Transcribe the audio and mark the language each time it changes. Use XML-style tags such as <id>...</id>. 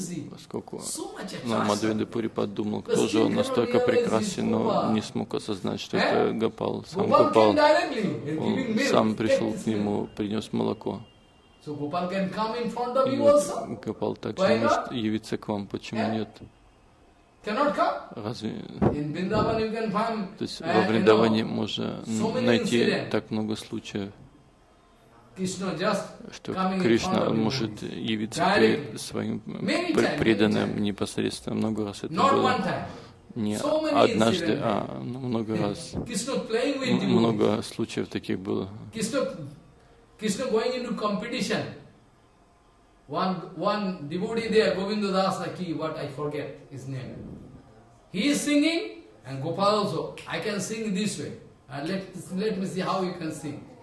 <ru>Поскольку Мадхавендра Парипад думал, кто же он настолько прекрасен, но не смог осознать, что это Гопал. Сам Гопал, он сам пришел к нему, принес молоко.</ru> <en>So Gopal can come in front of you also.</en> <ru>Gopal также может явиться к вам. Почему нет?</ru> <en>Cannot come.</en> <ru>Разве?</ru> <en>In Vrindavan you can find.</en> <ru>То есть во Вриндаване можно найти так много случаев.</ru> <en>Krishna just</en> <ru>что Кришна может явиться своим преданным непосредственно. Много раз это было. Не однажды, а много раз. Много случаев таких было.</ru> <en>Krishna going into competition. One devotee there, Govinda Das, like he, what I forget his name. He is singing and Gopal also. I can sing this way. And let me see how you can sing.</en>